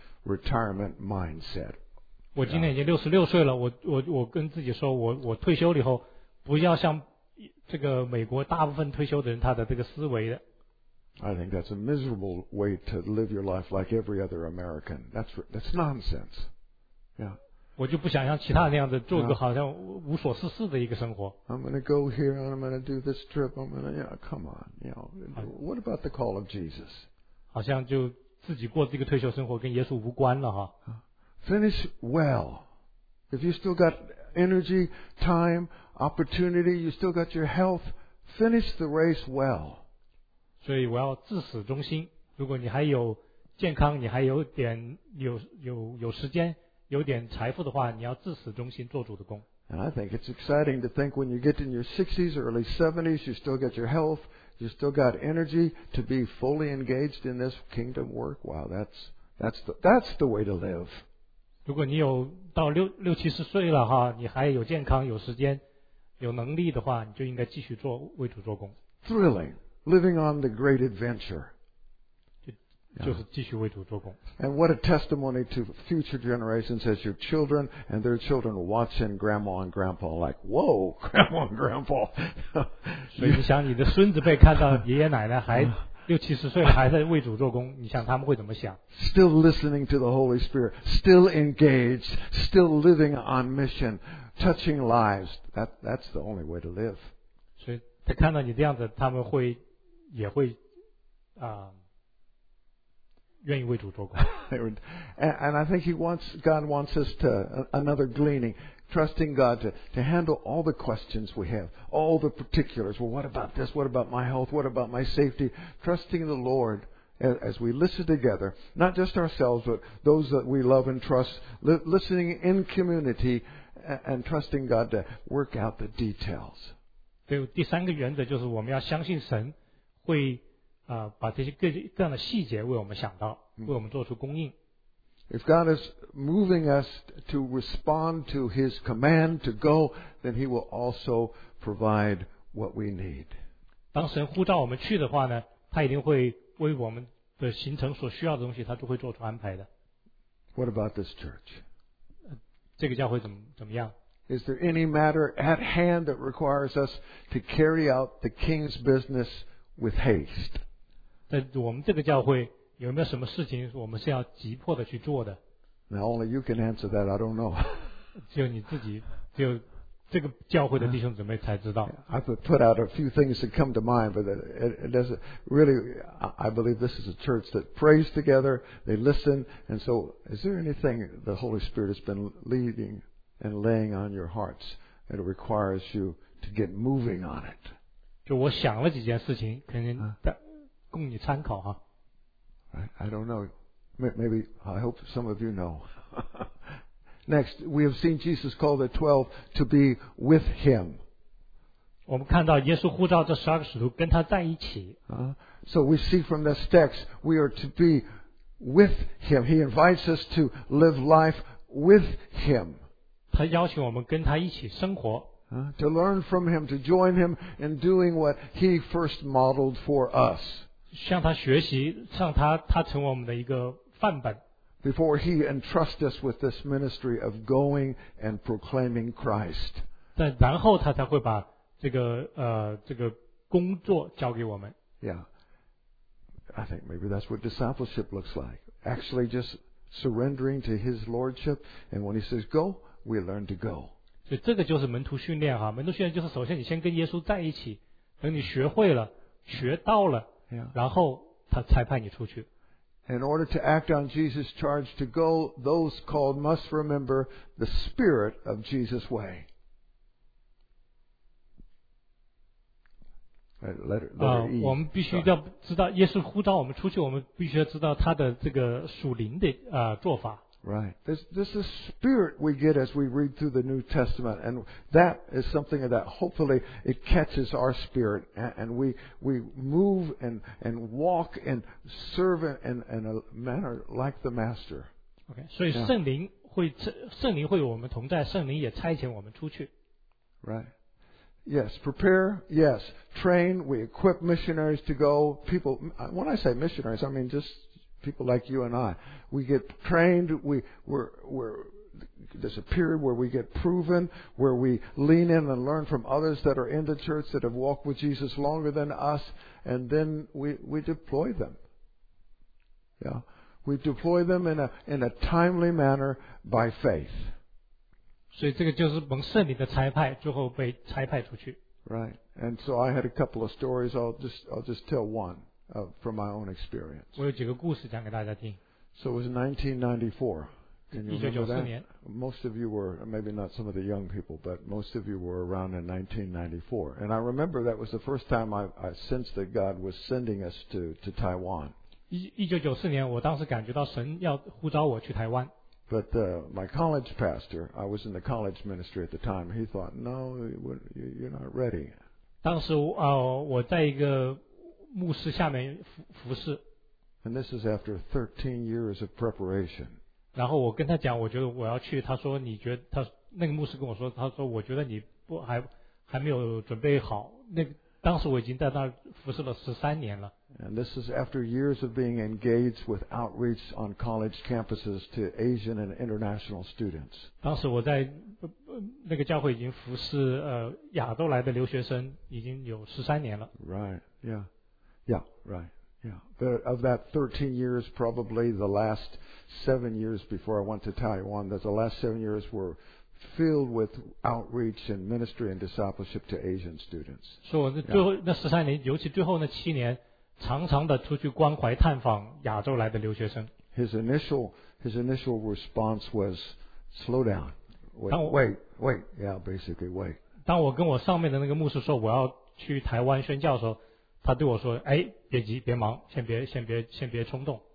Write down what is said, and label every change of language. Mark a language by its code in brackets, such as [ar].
[en] retirement mindset. [zh] 我今年已经66岁了，我跟自己说，我退休了以后。不要像这个美国大部分退休的人他的这个思维的。 [en] I think that's a miserable way to live your life like every other American. That's nonsense. Yeah. [zh] 我就不想像其他那样子做个好像无所事事的一个生活。 [en] I'm going to go here and I'm going to do this trip. I'm going to, yeah, come on. You know, what about the call of Jesus? [zh] 好像就自己过这个退休生活跟耶稣无关了哈。 [en] Finish well. If you still got energy, time,Opportunity, you still got your health. Finish the race well. [zh] 所以我要至死忠心。如果你还有健康，你还有点有时间，有点财富的话，你要至死忠心做主的工。 [en] And I think it's exciting to think when you get in your 60s, early 70s, you still got your health, you still got energy to be fully engaged in this kingdom work. Wow, that's the way to live. [zh] 如果你有到六七十岁了哈，你还有健康，有时间。有能力的话，你就应该继续做为主做工。 [en] Thrilling, living on the great adventure. [zh] 就是继续为主做工。 [en] And what a testimony to future generations as your children and their children watching grandma and grandpa like, whoa, grandma and grandpa. [zh] 所以你想你的孙子辈看到爷爷奶奶还六七十岁还在为主做工，你想他们会怎么想？ [en] Still listening to the Holy Spirit, still engaged, still living on mission. Touching lives, that's the only way to live. [zh] 所以他看到你这样子，他们会也会愿意为主做工。 [en] And I think God wants us to another gleaning, trusting God to handle all the questions we have, all the particulars. Well, what about this? What about my health? What about my safety? Trusting the Lord. As we listen together, not just ourselves, but those that we love and trust, listening in community and trusting God to work out the details. [zh] 对，第三个原则就是我们要相信神会把这些各样的细节为我们想到，为我们做出供应。 [en] If God is moving us to respond to His command to go, then He will also provide what we need. [zh] 当神呼召我们去的话呢，他一定会。为我们的行程所需要的东西，他都会做出安排的。 [en] What about this church? [zh] 这个教会怎么样？ [en] Is there any matter at hand that requires us to carry out the King's business with haste? [zh] 在我们这个教会有没有什么事情我们是要急迫的去做的？ [en] Now only you can answer that. I don't know. [zh] 只有你自己，只有这个教会的弟兄姊妹才知道。 [en] I've put out a few things that come to mind, but it doesn't really. I believe this is a church that prays together. They listen, and so is there anything the Holy Spirit has been leading and laying on your hearts that requires you to get moving on it? [zh] 就我想了几件事情，可能供你参考哈。 [en] I don't know. Maybe I hope some of you know. Next, we have seen Jesus call the 12 to be with Him. [zh] 我们看到耶稣呼召这十二个使徒跟他在一起。 [en] So we see from this text, we are to be with Him. He invites us to live life with Him. [zh] 他邀请我们跟他一起生活。 [en] To learn from him, to join him in doing what he first modeled for us. [zh] 向他学习，让他成我们的一个范本。 [en] Before he entrusts us with this ministry of going and proclaiming Christ. [zh] 但然后他才会把这个工作交给我们。 [en] Yeah. I think maybe that's what discipleship looks like. Actually just surrendering to his lordship, and when he says go, we learn to go. [zh] 所以这个就是门徒训练哈，门徒训练就是首先你先跟耶稣在一起，等你学会了，学到了， [en] yeah. [zh] 然后他才派你出去。 [en] In order to act on Jesus' charge to go, those called must remember the spirit of Jesus' way. Letter E. [zh] 我们必须要知道耶稣呼召我们出去，我们必须要知道他的这个属灵的做法。 [en] Right. This is spirit we get as we read through the New Testament, and that is something that hopefully it catches our spirit, and we move and walk and serve in a manner like the Master. Okay. [zh] 所以圣灵会与我们同在，圣灵也差遣我们出去。 [en] Right. Yes. Prepare. Yes. Train. We equip missionaries to go. People. When I say missionaries, I mean just. People like you and I, we get trained. We're there's a period where we get proven, where we lean in and learn from others that are in the church that have walked with Jesus longer than us, and then we deploy them. Yeah, we deploy them in a timely manner by faith. [zh] 所以这个就是蒙圣灵的差派，最后被差派出去。 [en] Right, and so I had a couple of stories. I'll just tell one. From my own experience. [zh] 我有几个故事讲给大家听。 [en] So it was 1994. [zh] 1994年。 [en] Most of you were, maybe not some of the young people, but most of you were around in 1994. And I remember that was the first time I sensed that God was sending us to Taiwan. [zh] 1994年，我当时感觉到神要呼召我去台湾。 [en] But my college pastor, I was in the college ministry at the time, he thought, no, you're not ready. [zh] 当时我在一个牧师下面服侍。 [en] And this is after 13 years of preparation. [zh] 然后我跟他讲，我觉得我要去。他说，你觉得他那个牧师跟我说，他说我觉得你不还没有准备好。那个、当时我已经在那服侍了13年了。 [en] And this is after years of being engaged with outreach on college campuses to Asian and international students. [zh] 当时我在那个教会已经服侍亚洲来的留学生已经有13年了。 [en] Right. Yeah. Yeah, right. Yeah. But of that 13 years, probably the last 7 years before I went to Taiwan, that the last 7 years were filled with outreach and ministry and discipleship to Asian students. [zh] So, 那13年，尤其最后那7年，常常的出去关怀探访亚洲来的留学生。 [en] His initial response was slow down. Wait. Yeah, basically wait. [zh] 当我跟我上面的那个牧师说我要去台湾宣教的时候，他对我说，哎，别急别忙，先别冲动。